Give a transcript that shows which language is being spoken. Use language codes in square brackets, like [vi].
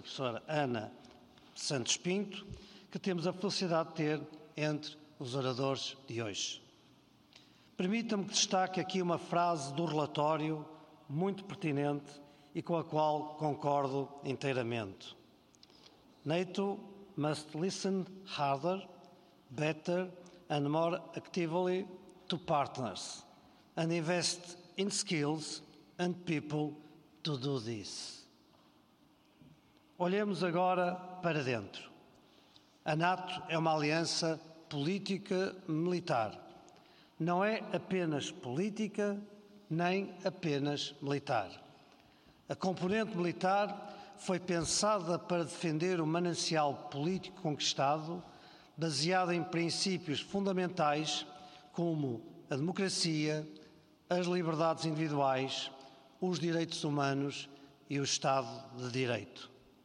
[pt] Professora Ana Santos Pinto, que temos a felicidade de ter entre os oradores de hoje. Permita-me que destaque aqui uma frase do relatório muito pertinente e com a qual concordo inteiramente. [en] NATO must listen harder, better and more actively to partners and invest in skills and people to do this. [pt] Olhemos agora para dentro. A NATO é uma aliança política-militar. Não é apenas política, nem apenas militar. A componente militar foi pensada para defender o manancial político conquistado, baseado em princípios fundamentais como a democracia, as liberdades individuais, os direitos humanos e o Estado de Direito.